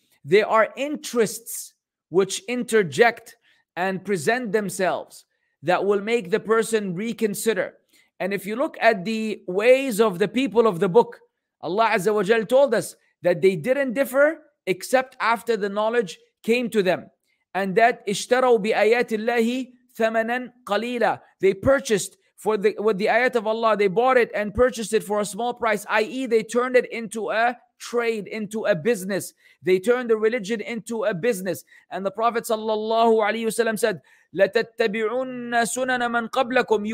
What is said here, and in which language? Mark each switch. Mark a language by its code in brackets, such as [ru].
[en] There are interests which interject and present themselves that will make the person reconsider. And if you look at the ways of the people of the book, Allah Azza wa Jal told us that they didn't differ except after the knowledge came to them. [ar] And that اشتروا بآيات الله ثمنا قليلا. [en] They purchased with the ayat of Allah, they bought it and purchased it for a small price, i.e. they turned it into a trade, into a business. They turned the religion into a business. And the Prophet sallallahu alayhi wasallam said, [ar] لَتَتَّبِعُنَّ سُنَنَ مَنْ قَبْلَكُمْ.